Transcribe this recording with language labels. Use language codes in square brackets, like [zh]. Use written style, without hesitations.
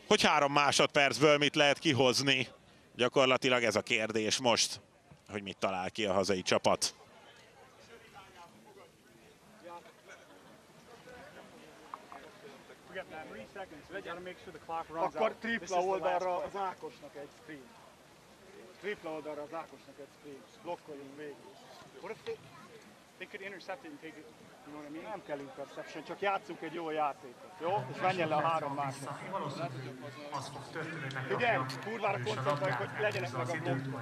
[hu] Hogy 3 másodpercből mit lehet kihozni? Gyakorlatilag ez a kérdés most, hogy mit talál ki a hazai csapat. Akkor tripla oldalra az Ákosnak egy screen. Tripla oldalra az Ákosnak egy screen. Blokkoljunk végig. [en] What if they could intercept it and take it? You know what I mean? [hu] Nem kell interception, csak játsszunk egy jó játékot, jó? És menjen le a 3 másodperc. Igen, kurvára koncentrálj, hogy legyenek meg a blokkot.